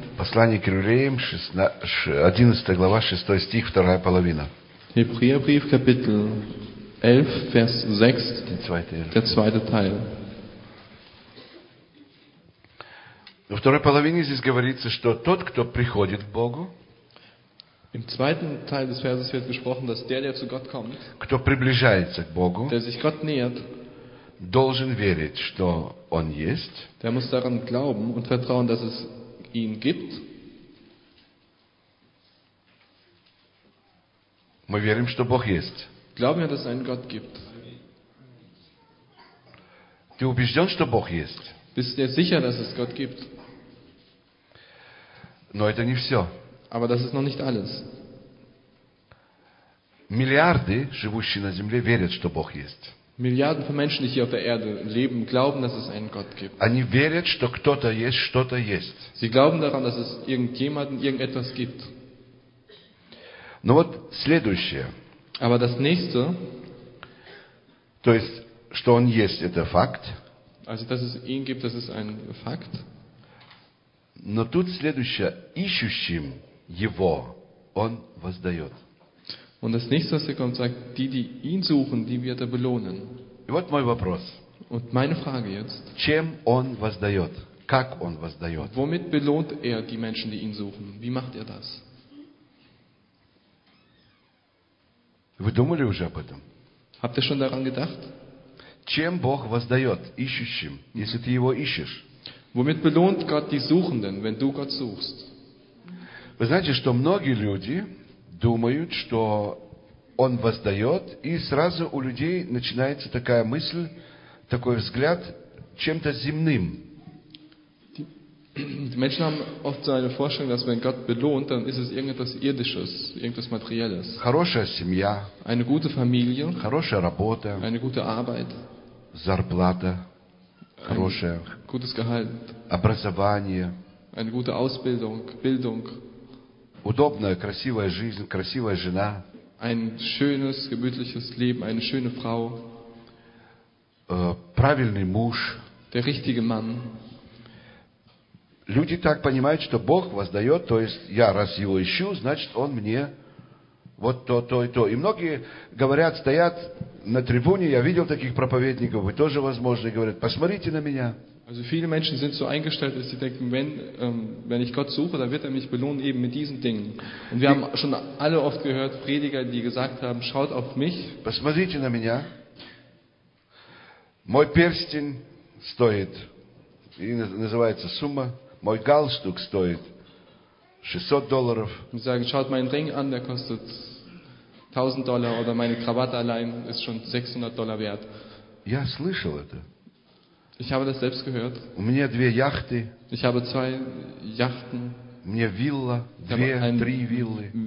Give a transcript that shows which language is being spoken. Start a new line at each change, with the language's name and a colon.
Russian: Послание к евреям, 11 глава, 6 стих, вторая половина.
German: Hebräerbrief, Kapitel 11, Vers 6, der zweite Teil.
Russian: Во второй половине здесь говорится, что тот, кто приходит к Богу,
German: im zweiten Teil des Verses wird gesprochen, dass der zu Gott kommt,
Russian: кто приближается к Богу,
German: der sich Gott nähert,
Russian: должен верить, что он есть,
German: der muss daran glauben und vertrauen, dass es ihn gibt.
Russian: Мы верим, что Бог есть.
German: Glauben wir, dass es einen Gott gibt.
Russian: Ты убежден, что Бог есть?
German: Bist du sicher, dass es Gott gibt?
Russian: Но это не все.
German: Aber das ist noch nicht alles.
Russian: Миллиарды, живущие на земле, верят, что Бог есть.
German: Milliarden von Menschen, die hier auf der Erde leben, glauben, dass es einen Gott gibt.
Russian: Они верят, что кто-то есть, что-то есть.
German: Sie glauben daran, dass es irgendjemanden, irgendetwas gibt.
Russian: Но вот следующее.
German: Aber das nächste,
Russian: то есть, что он есть, это факт.
German: Also, dass es ihn gibt, das ist ein Fakt.
Russian: Но тут следующее. Ищущим его он воздает.
German: Und das nächste, was hier kommt, sagt, die, die ihn suchen, die wird er belohnen.
Russian: И вот мой вопрос.
German: Und meine Frage jetzt.
Russian: Чем он воздает? Как он воздает?
German: Womit belohnt er die Menschen, die ihn suchen? Wie macht er das?
Russian: Вы думали уже об этом?
German: Habt ihr schon daran gedacht?
Russian: Чем Бог воздает ищущим, если ты его ищешь?
German: Womit belohnt Gott die Suchenden, wenn du Gott suchst?
Russian: Вы знаете, что многие люди думают, что он воздает, и сразу у людей начинается такая мысль, такой взгляд чем-то земным.
German: Die Menschen haben oft so eine Vorstellung, dass wenn Gott belohnt, dann ist es irgendetwas Irdisches, irgendetwas Materielles.
Russian: Хорошая семья.
German: Eine gute Familie.
Russian: Хорошая работа.
German: Eine gute Arbeit.
Russian: Зарплата. Хорошая.
German: Gutes Gehalt.
Russian: Образование.
German: Eine gute Ausbildung. Bildung.
Russian: Удобная, красивая жизнь, красивая жена.
German: Ein schönes, gemütliches Leben, eine schöne Frau.
Russian: Правильный муж.
German: Der richtige Mann.
Russian: Люди так понимают, что Бог воздает, то есть я раз его ищу, значит он мне вот то, то и то. И многие говорят, стоят на трибуне, я видел таких проповедников, вы тоже возможно, и говорят, посмотрите на меня.
German: Also viele Menschen sind so eingestellt, dass sie denken, wenn ich Gott suche, dann wird mich belohnen eben mit diesen Dingen. Und wir haben schon alle oft gehört, Prediger, die gesagt haben, schaut auf mich.
Russian: Посмотрите на меня. Мой перстень стоит, и называется сумма, мой галстук стоит $600.
German: Sie sagen, schaut meinen Ring an, der kostet $1000, oder meine Krawatte allein ist schon $600 wert.
Russian: Я слышал это.
German: Ich habe das selbst gehört.
Russian: У меня две яхты.
German: Ich habe zwei Yachten.
Russian: У меня вилла, три виллы.